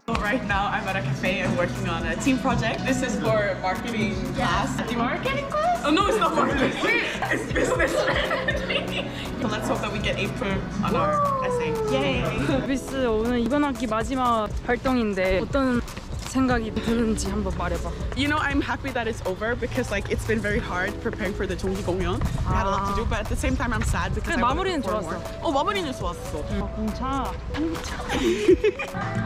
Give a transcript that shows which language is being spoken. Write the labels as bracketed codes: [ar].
[en] Right now, I'm at a cafe and working on a team project. This is for marketing class. The marketing class? Oh, no, it's not marketing. It's business strategy. So let's hope that we get April on our essay. Yay! [ko] 비스 오늘 이번 학기 마지막 활동인데 어떤 생각이 드는지 한번 말해봐. [en] You know, I'm happy that it's over because like it's been very hard preparing for the [ko] 종기 공연. [en] I had a lot to do, but at the same time, I'm sad because [ko] 근데 마무리는 좋았어. 어, 마무리는 좋았어. 아, 공차. 공차.